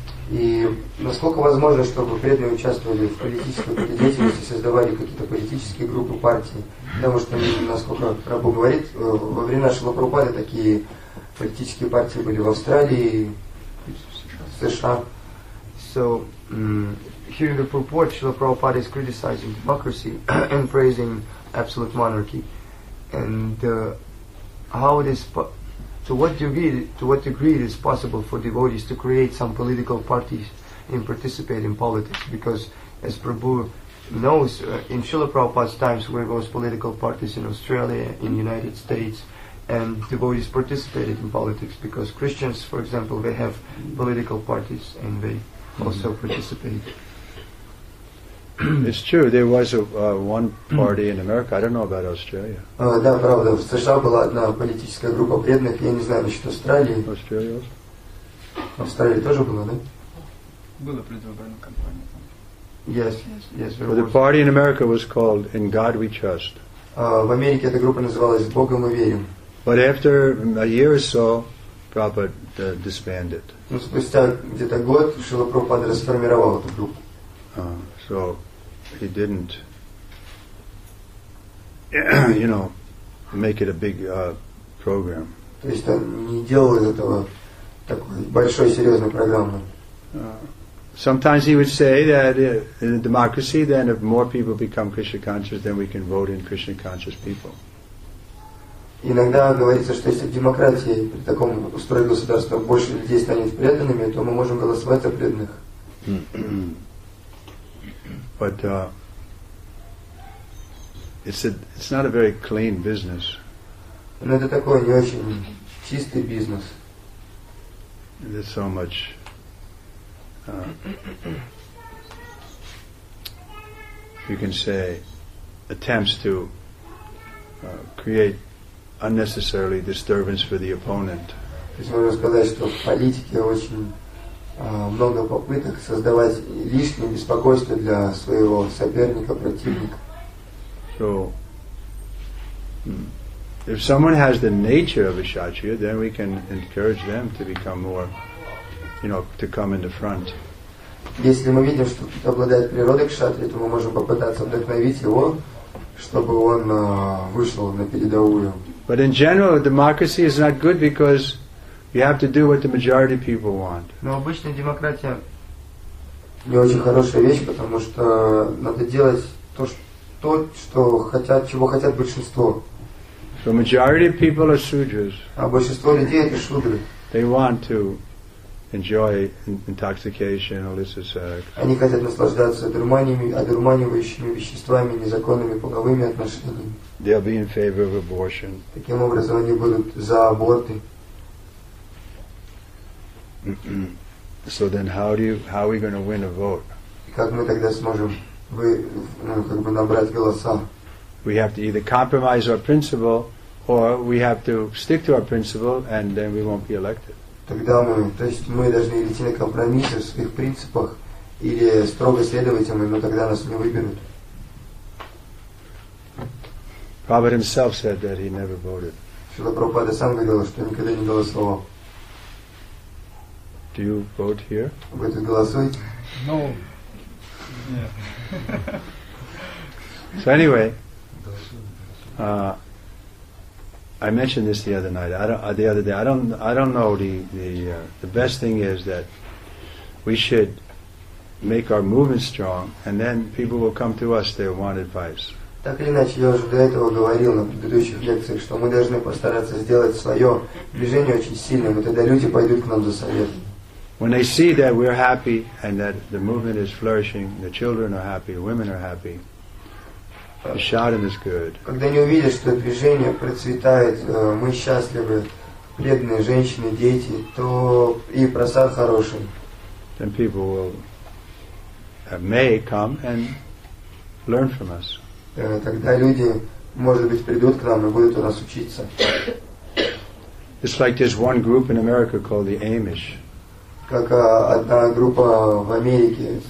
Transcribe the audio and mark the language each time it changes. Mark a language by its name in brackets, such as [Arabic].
[Russian] И насколько возможно, чтобы преданные участвовали в политической деятельности, создавали какие-то политические группы, партии? Потому что, насколько Прабху говорит, во времена Шрила Прабхупады такие политические партии были в Австралии, в США. [English] So, hearing the purport, Shrila Prabhupada is criticizing democracy and praising absolute monarchy. And how it is... To what degree it is possible for devotees to create some political parties and participate in politics? Because, as Prabhu knows, in Srila Prabhupada's times, there was political parties in Australia, in the United States, and devotees participated in politics, because Christians, for example, they have political parties and they also participate. It's true, there was one party in America. I don't know about Australia. [Russian] Да, правда, в США была одна политическая группа преданных, я не знаю насчет Австралии. [English] Australia also. [Russian] Австралия тоже была, да? Была предвыборная кампания там. [English] Yes. But the party in America was called In God We Trust. [Russian] В Америке эта группа называлась В Бога мы верим. [English] But after a year or so, Prabhupada disbanded. [Russian] Ну, спустя где-то год Шрила Прабхупада расформировал эту группу. [English] So he didn't, make it a big program. [Russian] То есть он не делал из этого такой большой серьезной программы. [English] Sometimes he would say that in a democracy, then if more people become Krishna conscious, then we can vote in Krishna conscious people. [Russian] Иногда говорится, что если в демократии при таком устрое государства больше людей станет преданными, то мы можем голосовать за преданных. [English] But it's not a very clean business. [Russian] Но это такой не очень чистый бизнес. [English] There's so much you can say attempts to create unnecessarily disturbance for the opponent. [Russian] То есть можно сказать, что в политике очень много попыток создавать лишнее беспокойство для своего соперника, противника. [English] So, if someone has the nature of a kshatriya, then we can encourage them to become more, to come in the front. [Russian] Если мы видим, что кто-то обладает природой кшатри, то мы можем попытаться вдохновить его, чтобы он вышел на передовую. [English] But in general, democracy is not good because you have to do what the majority of people want. [Russian] Но обычная демократия не очень хорошая вещь, потому что надо делать то, чего хотят большинство. [English] So majority of people are sudras. [Russian] А большинство людей это шудры. [English] They want to enjoy intoxication, illicit sex. [Russian] Они хотят наслаждаться дурманиями, одурманивающими веществами, незаконными половыми отношениями. [English] They'll be in favor of abortion. [Russian] Таким образом, они будут за аборты. [English] So then how are we going to win a vote? [Russian] Как мы тогда сможем набрать голоса? [English] We have to either compromise our principle or we have to stick to our principle and then we won't be elected. [Russian] Тогда мы, то есть мы должны идти на компромиссы в своих принципах или строго следовать им, но тогда нас не выберут. [English] Prabhupada himself said that he never voted. [Russian] Шрила Прабхупада сам говорил, что никогда не голосовал. [English] Do you vote here? [Russian] Вы тут голосуете? [English] No. So anyway, I mentioned this the other night. The best thing is that we should make our movement strong, and then people will come to us. They want advice. [Russian] Так или иначе, я уже до этого говорил на предыдущих лекциях, что мы должны постараться сделать свое движение очень сильным, и тогда люди пойдут к нам за советом. [English] When they see that we're happy and that the movement is flourishing, the children are happy, the women are happy, the shadam is good. [Russian] Когда они увидят, что движение процветает, мы счастливы, преданные женщины, дети, то и просад хороший. [English] Then people will may come and learn from us. [Russian] Тогда люди, может быть, придут к нам и будут у нас учиться. [English] It's like there's one group in America called the Amish. [Russian] Как одна группа в Америке.